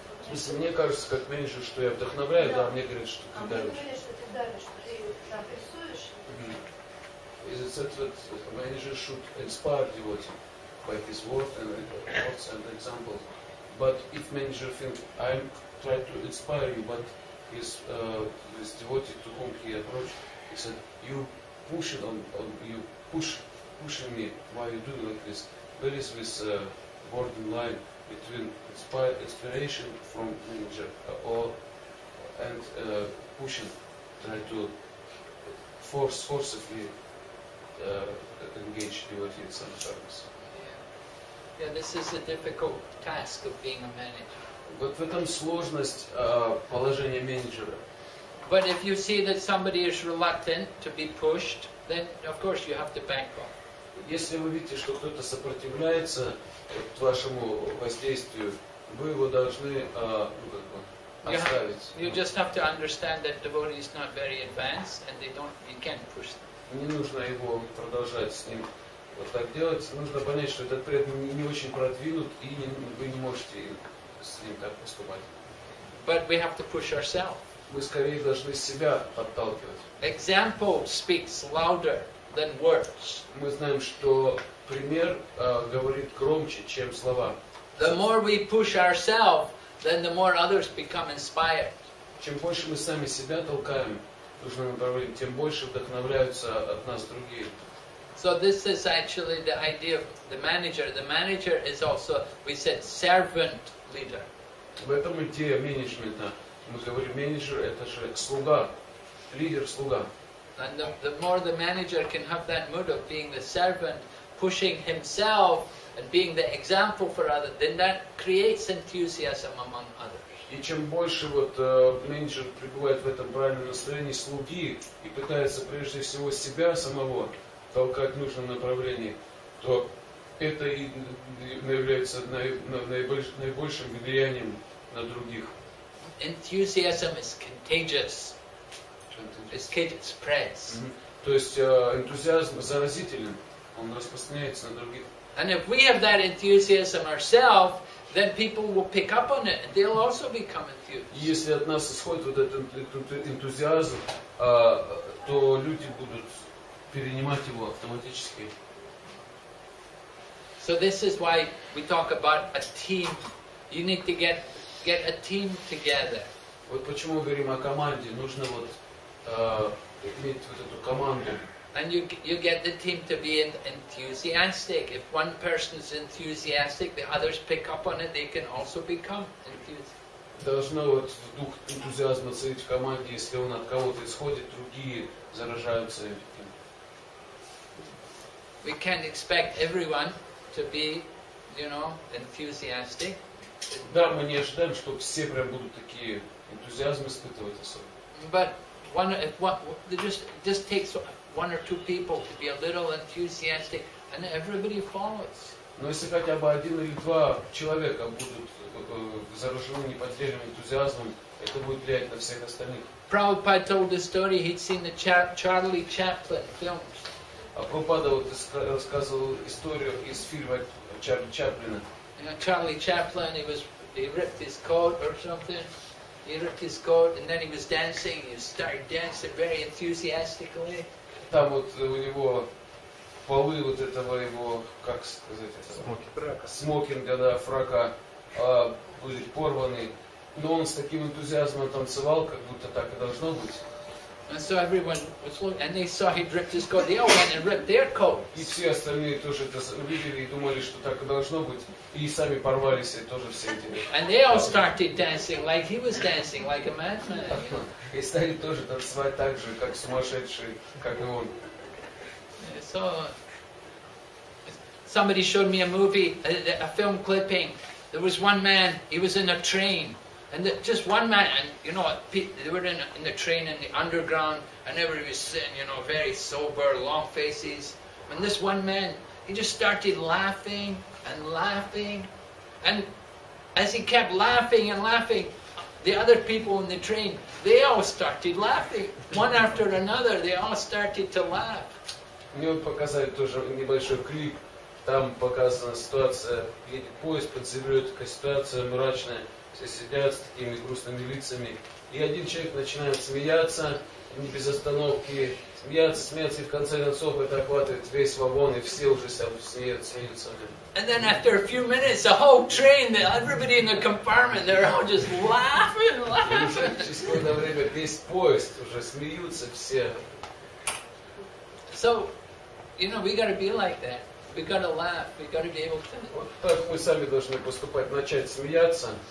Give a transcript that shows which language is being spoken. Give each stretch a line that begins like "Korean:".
Russian: Если мне кажется, как меньше, что я вдохновляю, да, мне говорят, что ты давишь. А мне говорят, что ты давишь, что ты прессуешь.
English: Is it that manager should inspire devotee by his words and examples? But if manager thinks, I'm trying to inspire you, but his devotee to whom he approached, he said, you push it on you push. Pushing me while you're doing like this. There is this border line between inspiration from manager and pushing, try to forcefully engage devotee in some service. Yeah. Yeah, this is a difficult task of being a manager. But
Russian: в этом сложность положения менеджера.
English: But if you see that somebody is reluctant to be pushed, then of course you have to back off.
Russian: Если вы видите, что кто-то сопротивляется вашему воздействию, вы его должны оставить.
English: You just have to understand that devotee is not very advanced and you can't push them.
Russian: Не нужно его продолжать с ним вот так делать. Нужно понять, что этот преданный не очень продвинут и вы не можете с ним так поступать.
English: But we have to push ourselves.
Russian: Мы скорее должны себя подталкивать.
English: Example speaks louder. Than words.
Russian: Мы знаем, что пример говорит громче, чем слова.
English: The more we push ourselves, then the more others become inspired.
Russian: Чем больше мы сами себя толкаем в нужном направлении, тем больше вдохновляются от нас другие.
English: So this is actually the idea of the manager. The manager is also, we said, servant leader.
Russian: В этом идея менеджмента. Мы говорим, менеджер это же слуга, лидер слуга.
English: And the more the manager can have that mood of being the servant, pushing himself and being the example for others, then that creates enthusiasm among others.
Russian: И чем больше вот менеджер пребывает в этом правильном настроении слуги и пытается прежде всего себя самого толкать в нужном направлении, то это и является наибольшим влиянием на других.
English: Enthusiasm is contagious. This kid spreads.
Russian: То есть энтузиазм заразителен, он распространяется на других.
English: And if we have that enthusiasm ourselves, then people will pick up on it and they'll also become enthused.
Russian: Если от нас исходит вот этот энтузиазм, то люди будут перенимать его автоматически.
English: So this is why we talk about a team. You need to get a team together.
Russian: Вот почему мы говорим о команде. Нужно вот иметь вот эту команду.
English: And you get the team to be enthusiastic. If one person is enthusiastic, the others pick up on it, they can also become enthusiastic.
Russian: Должно вот дух энтузиазма царить в команде. Если он от кого-то исходит, другие заражаются этим.
English: We can't expect everyone to be, you know, enthusiastic.
Russian: Да, мы не ожидаем, что все прям будут такие энтузиазм испытывать особо.
English: But one, if one, just takes one or two people to be a little enthusiastic, and everybody follows.
Russian: Но если хотя бы один или два человека будут заражены неподдельным энтузиазмом, это будет влиять на всех остальных.
English: Prabhupada told the story. He'd seen the Charlie Chaplin films.
Russian: А Прабхупада вот рассказывал историю из фильма Чарли Чаплина.
English: Charlie Chaplin, he ripped his coat or something. He ripped his coat and then he was dancing. He started dancing very enthusiastically.
Russian: Там вот у него полы вот этого его, как сказать, смокинга, да, фрака, были порваны. Но он с таким энтузиазмом танцевал, как будто так и должно быть.
English: And so everyone was looking, and they saw he ripped his coat. They all went and ripped their coats.
Russian: И все остальные тоже это увидели и думали, что так и должно быть, и сами порвались и тоже все эти.
English: And they all started dancing like he was dancing, like a madman.
Russian: И стали тоже танцевать так же, как сумасшедший, как и он.
English: So somebody showed me a movie, a film clipping. There was one man. He was in a train. And just one man, and you know, they were in the train in the underground, and everybody was sitting, you know, very sober, long faces. And this one man, he just started laughing and laughing. And as he kept laughing and laughing, the other people in the train, they all started laughing. One after another, they all started to laugh.
Russian: Мне показали тоже небольшой клип. Там показана ситуация, едет поезд под землей, такая ситуация мрачная. Все сидят с такими грустными лицами. И один человек начинает смеяться, не без остановки. Смеяться, смеяться, и в конце концов это охватывает весь вагон, и все уже смеются.
English: And then after a few minutes, the whole train, everybody in the compartment, they're all just laughing.
Russian: Через какое-то время весь поезд уже смеются все.
English: So, you know, we gotta be like that. We gotta laugh, we gotta be able to...
Russian: Вот так мы сами должны поступать, начать смеяться.